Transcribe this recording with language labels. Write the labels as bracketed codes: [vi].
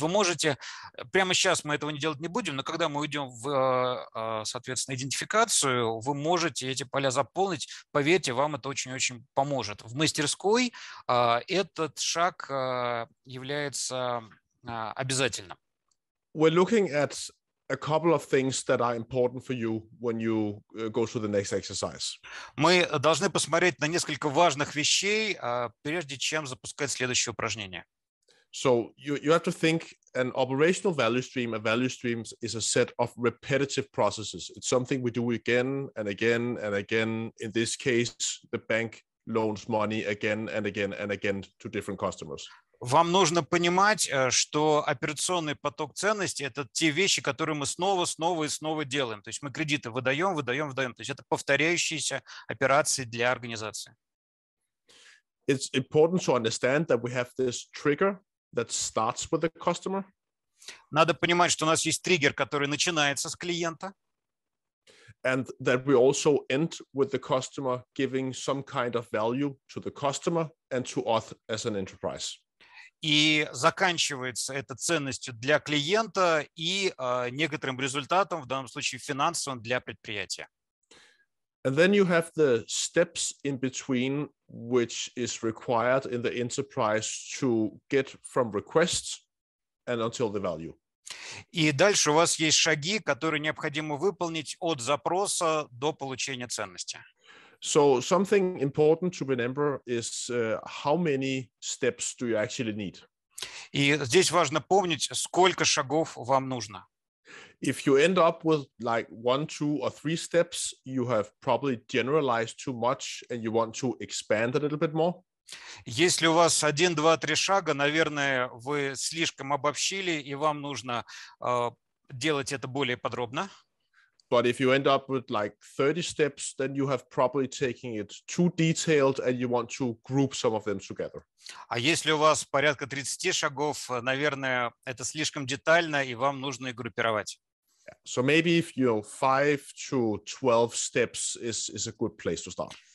[ru] Вы можете, прямо сейчас мы этого не делать не будем, но когда мы уйдем в, соответственно, идентификацию, вы можете эти поля заполнить. Поверьте, вам это очень-очень поможет. В мастерской этот шаг является обязательным. [en] We're looking at a couple of things that are important for you when you go through the next exercise. [ru] Мы должны посмотреть на несколько важных вещей, прежде чем запускать следующее упражнение. [en] So you have to think an operational value stream, a value stream is a set of repetitive processes. It's something we do again and again and again. In this case, the bank loans money again and again and again to different customers. [ru] Вам нужно понимать, что операционный поток ценностей – это те вещи, которые мы снова, снова и снова делаем. То есть мы кредиты выдаем, выдаем, выдаем. То есть это повторяющиеся операции для организации. [en] It's important to understand that we have this trigger that starts with the customer. [ru] Надо понимать, что у нас есть триггер, который начинается с клиента. [en] And that we also end with the customer giving some kind of value to the customer and to us as an enterprise. [ru] И заканчивается это ценностью для клиента и некоторым результатом, в данном случае финансовым, для предприятия. [en] And then you have the steps in between, which is required in the enterprise to get from requests and until the value. [ru] И дальше у вас есть шаги, которые необходимо выполнить от запроса до получения ценности. [en] So something important to remember is how many steps do you actually need? [ru] И здесь важно помнить, сколько шагов вам нужно. [en] If you end up with like one, two or three steps, you have probably generalized too much and you want to expand a little bit more. [ru] Если у вас 1, 2, 3 шага, наверное, вы слишком обобщили, и вам нужно делать это более подробно. [en] But if you end up with like 30 steps, then you have probably taken it too detailed and you want to group some of them together. [ru] А если у вас порядка 30 шагов, наверное, это слишком детально, и вам нужно их группировать. [en] So maybe if you know, 5 to 12 steps is a good place to start.